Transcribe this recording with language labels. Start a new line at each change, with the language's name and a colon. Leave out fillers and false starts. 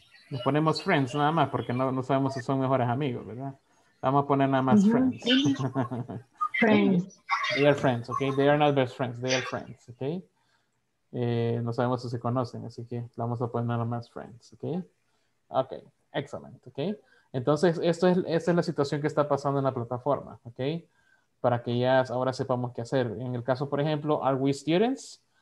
Spanish: Nos ponemos friends nada más porque no sabemos si son mejores amigos, ¿verdad? Vamos a poner nada más friends.
English: Friends. They are friends, okay? They are not best friends, they are friends, okay?
Spanish: No sabemos si se conocen, así que vamos a poner nada más friends, okay?
English: Okay, excellent, okay?
Spanish: Entonces, esta es la situación que está pasando en la plataforma, okay? Para que ya ahora sepamos qué hacer. En el caso, por ejemplo,
English: are we students?